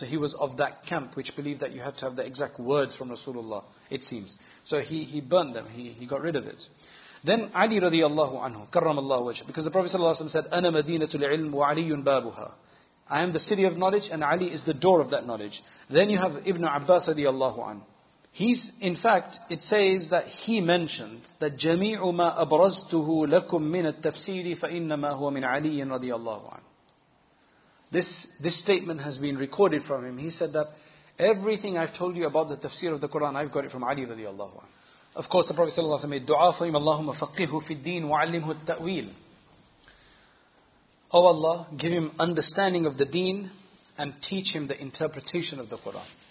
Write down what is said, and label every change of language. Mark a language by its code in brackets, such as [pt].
[en] So he was of that camp which believed that you have to have the exact words from Rasulullah, it seems. So he burned them, he got rid of it. Then Ali radiallahu anhu, karramallahu wajhah, because the Prophet sallallahu alaihi wasallam said, [ar] أَنَا مَدِينَةُ الْعِلْمُ وَعَلِيٌّ بَابُهَا. [en] I am the city of knowledge and Ali is the door of that knowledge. Then you have Ibn Abbas radiallahu anhu. He's, in fact, it says that he mentioned that [ar] جَمِيعُ مَا أَبْرَزْتُهُ لَكُمْ مِنَ التَّفْسِيرِ فَإِنَّمَا هُوَ مِنْ عَلِيٍّ رَضِيَ اللَّهُ عَنْهُ. [en] This statement has been recorded from him. He said that everything I've told you about the tafsir of the Quran, I've got it from Ali radiallahu anhu. Of course, the Prophet sallallahu alaihi wasallam made dua for him, [ar] اللَّهُمَّ فَقِّهُ فِي الدِّينِ وَعَلِّمْهُ التَّأْوِيلِ. [en] Oh Allah, give him understanding of the deen and teach him the interpretation of the Quran.